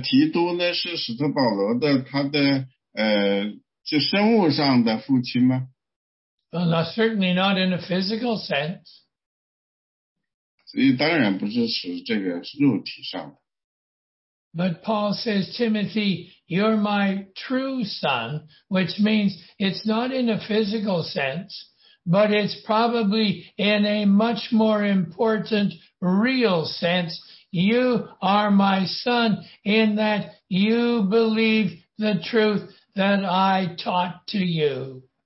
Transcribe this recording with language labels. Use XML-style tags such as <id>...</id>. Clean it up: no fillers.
<zh>所以呢，实际上呢，提多呢是使徒保罗的他的。就生物上的父亲吗？</zh> <en>Well, not, certainly not in a physical sense.</en> <zh>所以当然不是指这个肉体上的。</zh> <en>But Paul says, Timothy, you're my true son, which means it's not in a physical sense, but it's probably in a much more important real sense. You are my son in that you believe the truth that I taught to you.</en>